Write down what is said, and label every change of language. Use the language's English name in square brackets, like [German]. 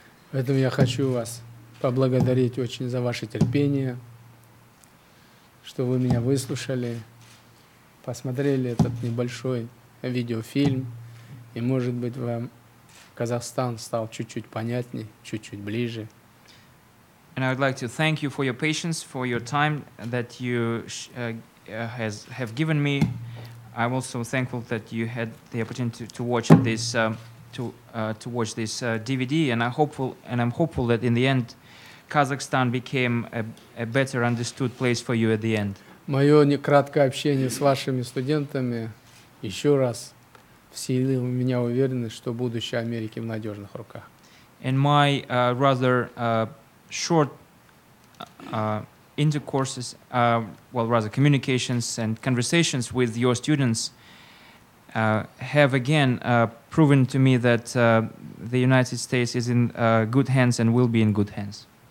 [Russian] Поэтому я хочу вас поблагодарить очень за ваше терпение, что вы меня выслушали, посмотрели этот небольшой видеофильм, и, может быть, вам Казахстан стал чуть-чуть понятнее, чуть-чуть ближе. [English] And I would like to thank you for your patience, for your time that you have given me. I'm also thankful that you had the opportunity to watch this DVD, and I'm hopeful that in the end Kazakhstan became a better understood place for you at the end. [Russian] Моё некраткое общение с вашими студентами ещё раз вселило в меня уверенность, что будущее Америки в надёжных руках. [English] And my communications and conversations with your students have again proven to me that the United States is in good hands and will be in good hands.